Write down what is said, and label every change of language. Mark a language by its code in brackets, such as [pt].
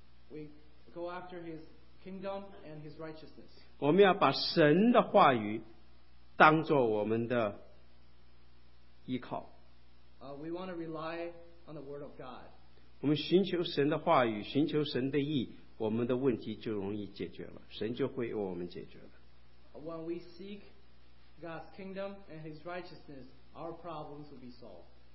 [en] We go after His kingdom and His righteousness. [zh] 我们要把神的话语当作我们的依靠。 [en] We want to rely on the word of God. [zh] 我们寻求神的话语，寻求神的义，我们的问题就容易解决了，神就会为我们解决了。 [en] When we seek God's kingdom and His righteousness, our problems will be solved.